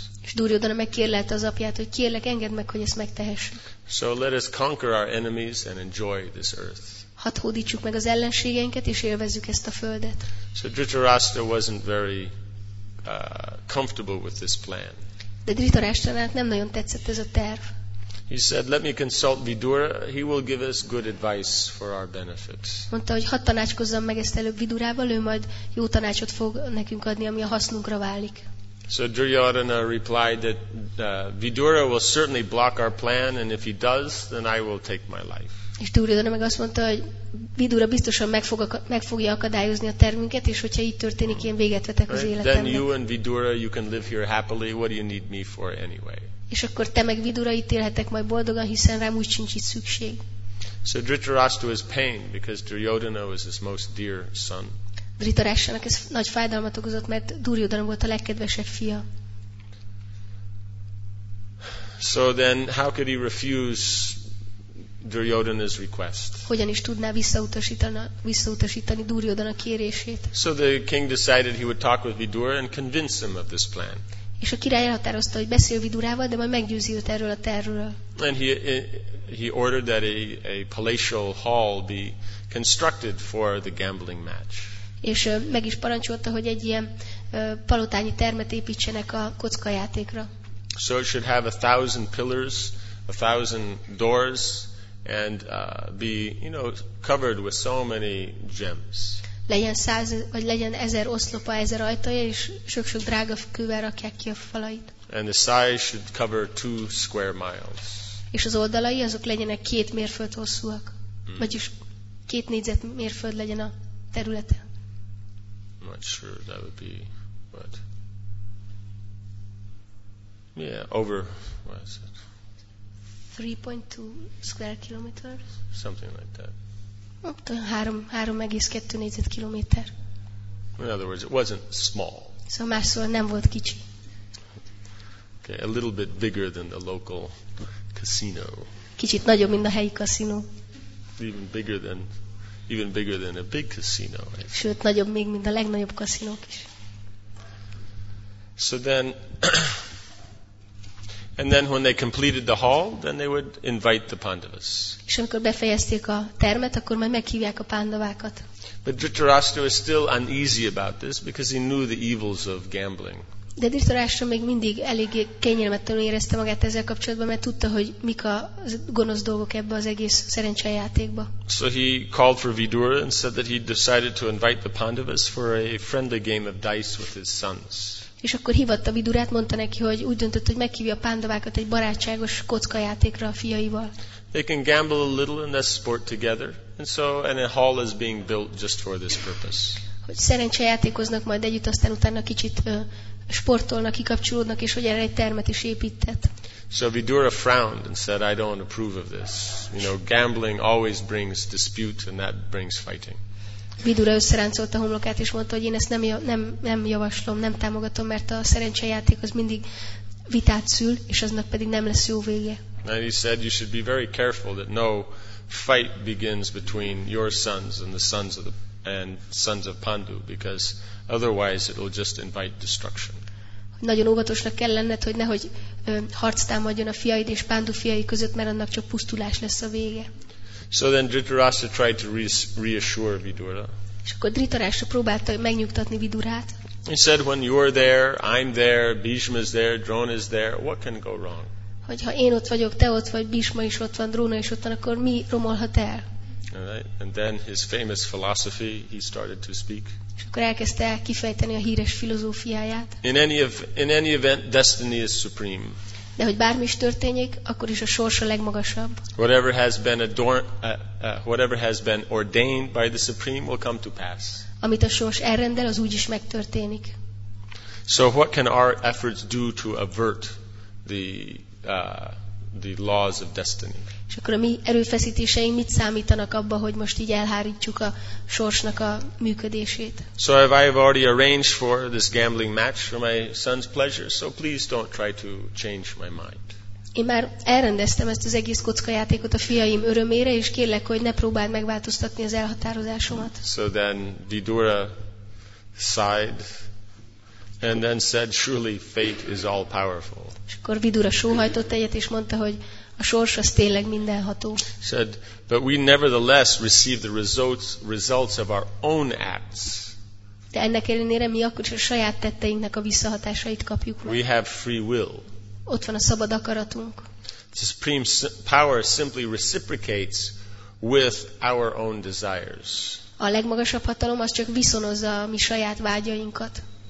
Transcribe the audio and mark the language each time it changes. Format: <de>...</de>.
<hu>És Duryodhana megkérlelte az apját, hogy kérlek, engedd meg, hogy ezt megtehessük.</hu> <en>So let us conquer our enemies and enjoy this earth.</en> <hu>Hadd hódítsuk meg az ellenségeinket és élvezzük ezt a földet.</hu> <en>So Dhritarashtra wasn't very comfortable with this plan.</en> <hu>De Dhritarashtrának nem nagyon tetszett ez a terv.</hu> <en>He said, "Let me consult Vidura. He will give us good advice for our benefit."</en> <hu>Mondta, hogy hadd tanácskozzam meg ezt előbb Vidurával, ő majd jó tanácsot fog nekünk adni, ami a hasznunkra válik.</hu> <en>So Duryodhana replied that Vidura will certainly block our plan, and if he does, then I will take my life.</en> <hu>És Duryodhana meg azt mondta, hogy Vidura biztosan meg fogja akadályozni a tervünket, és hogyha így történik, én véget vetek az életemnek.</hu> <en>Then you and Vidura, you can live here happily. What do you need me for anyway?</en> <hu>És akkor te meg Vidura itt élhetek majd boldogan, hiszen rám úgy sincs itt szükség.</hu> <en>So Dhritarashtra was pained because Duryodhana was his most dear son.</en> <hu>Dhritarashtrának ez nagy fájdalmat okozott, mert Duryodhana volt a legkedvesebb fia.</hu> <en>So then how could he refuse Duryodhana's request?</en> <hu>Hogyan is tudná visszautasítani Duryodhana kérését?</hu> <en>So the king decided he would talk with Vidura and convince him of this plan.</en> <hu>És a király elhatározta, hogy beszél Vidurával, de majd meggyőzi őt erről a tervről.</hu> <en>And he ordered that a palatial hall be constructed for the gambling match.</en> <hu>És meg is parancsolta, hogy egy ilyen palotányi termet építsenek a kockajátékra.</hu> <en>So it should have 1,000 pillars, 1,000 doors, and be, you know, covered with so many gems.</en> <hu>Legyen 100 vagy legyen 1,000 oszlopa, 1,000 ajtaja, és sok-sok drága kővel rakják ki a falait.</hu> <en>And the size should cover 2 square miles.</en> <hu>És az oldalai azok legyenek 2 mérföld hosszúak, vagyis 2 négyzetmérföld legyen a területe.</hu> <en>Not sure that would be, but yeah, over what is it? 3.2 square kilometers. Something like that.</en> <hu>3,2 négyzetkilométer.</hu> <en>In other words, it wasn't small.</en> <hu>So más szóval nem volt kicsi.</hu> <en>Okay, a little bit bigger than the local casino.</en> <hu>Kicsit nagyobb, mint a helyi kaszinó.</hu> <en>Even bigger than a big casino.</en> <hu>Sőt, nagyobb még, mint a legnagyobb kaszinók is.</hu> <en>So then, and then when they completed the hall, then they would invite the Pandavas.</en> <hu>És amikor befejezték a termet, akkor majd meghívják a Pandavákat.</hu> <en>But Dhritarashtra was still uneasy about this because he knew the evils of gambling.</en> <hu>De Dhritarashtra még mindig eléggé kényelmetlenül érezte magát ezzel kapcsolatban, mert tudta, hogy mik a gonosz dolgok ebbe az egész szerencsejátékba.</hu> <en>So he called for Vidura and said that he decided to invite the Pandavas for a friendly game of dice with his sons.</en> <hu>És akkor hívatta Vidurát, mondta neki, hogy úgy döntött, hogy meghívja a Pandavákat egy barátságos kockajátékra a fiaival.</hu> <en>They can gamble a little in this sport together, and a hall is being built just for this purpose.</en> <hu>Hogy szerencsejátékoznak majd együtt, aztán utána kicsit sportolnak, kikapcsolódnak, és hogy erre egy termet is épített.</hu> <en>So Vidura frowned and said, "I don't approve of this. You know, gambling always brings dispute and that brings fighting."</en> <hu>Vidura összeráncolta a homlokát és mondta, hogy én ezt nem javaslom, nem támogatom, mert a szerencsejáték az mindig vitát szül, és aznak pedig nem lesz jó vége.</hu> <en>And he said, "You should be very careful that no fight begins between your sons and the sons of sons of Pandu, because otherwise it will just invite destruction."</en> <hu>Nagyon óvatosnak kell lenned, hogy nehogy harc támadjon a fiaid és Pandu fiai között, mert annak csak pusztulás lesz a vége.</hu> <en>So then Dhritarashtra tried to reassure Vidura.</en> <hu>És akkor Dhritarashtra próbálta megnyugtatni Vidurát.</hu> <en>He said, "When you are there, I'm there, Bhishma is there, Drona is there, what can go wrong?"</en> <hu>Hogyha én ott vagyok, te ott vagy, Bhishma is ott van, Drona is ott van, akkor mi romolhat el?</hu> <en>Right. And then his famous philosophy, he started to speak.</en> <hu>És akkor elkezdte kifejteni a híres filozófiáját.</hu> <en>In any event, destiny is supreme.</en> <hu>De hogy bármi is történik, akkor is a sors a legmagasabb.</hu> <en>Whatever has been ordained by the Supreme will come to pass.</en> <hu>Amit a sors elrendel, az úgyis megtörténik.</hu> <en>So what can our efforts do to avert the laws of destiny?</en> <hu>És akkor a mi erőfeszítéseink mit számítanak abba, hogy most így elhárítjuk a sorsnak a működését?</hu> <en>So if I have already arranged for this gambling match for my son's pleasure, so please don't try to change my mind.</en> <hu>Én már elrendeztem ezt az egész kockajátékot a fiaim örömére, és kérlek, hogy ne próbáld megváltoztatni az elhatározásomat.</hu> <en>So then Vidura sighed and then said, surely fate is all powerful.</en> <hu>És akkor Vidura sóhajtott egyet, és mondta, hogy a sors az tényleg mindenható.</hu> <en>Said, but we nevertheless receive the results of our own acts.</en> <hu>De ennek ellenére mi akkor is a saját tetteinknek a visszahatásait kapjuk meg.</hu> <en>We have free will.</en> <hu>Ott van a szabad akaratunk.</hu> <en>The supreme power simply reciprocates with our own desires.</en> <hu>A legmagasabb hatalom az csak viszonozza a mi saját vágyainkat.</hu>